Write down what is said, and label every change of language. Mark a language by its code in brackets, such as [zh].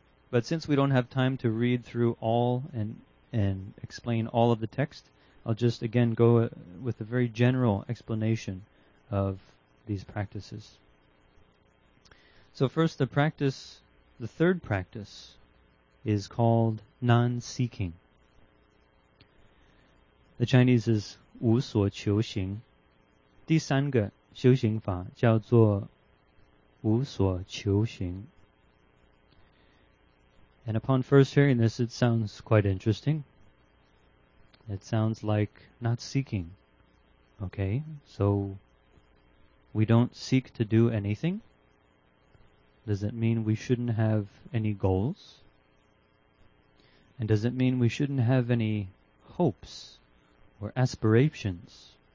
[en] But since we don't have time to read through all and explain all of the text, I'll just again go with a very general explanation of these practices. So first, the third practice is called non-seeking. The Chinese is 无所求行。 [zh] 第三个修行法叫做无所求行。 [en] And upon first hearing this, it sounds quite interesting. It sounds like not seeking. Okay, so we don't seek to do anything. Does it mean we shouldn't have any goals? And does it mean we shouldn't have any hopes or aspirations?